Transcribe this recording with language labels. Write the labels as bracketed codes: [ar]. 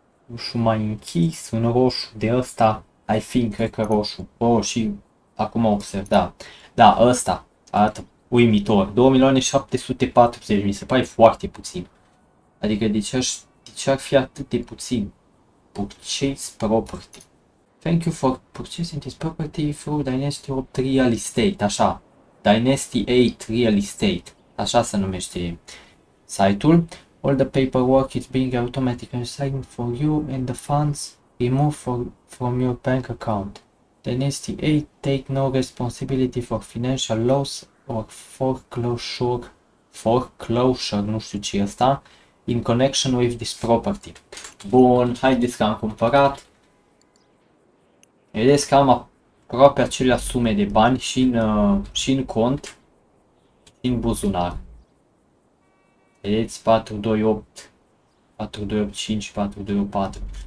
[ro] Roșu mai închis, un roșu de ăsta. [en] I think, [ro] cred că roșu. Roșii, acum observ, da. Da, ăsta arată uimitor. 2.740.000, mi se pare foarte puțin. Adică de ce ar fi atât de puțin? [en] Purchase property. Thank you for purchasing this property through Dynasty 8 Real Estate. [ro] Așa. Dynasty 8 Real Estate. Așa se numește site-ul. [en] All the paperwork is being automatically signed for you and the funds removed from your bank account. Dynasty 8 take no responsibility for financial loss or foreclosure. [ro] Foreclosure, nu știu ce e asta. [en] In connection with this property. [ro] Bun, haideți că am cumpărat. Vedeți că am aproape acelea sume de bani și în cont, și în buzunar. Vedeți, 428, 4285, 4284.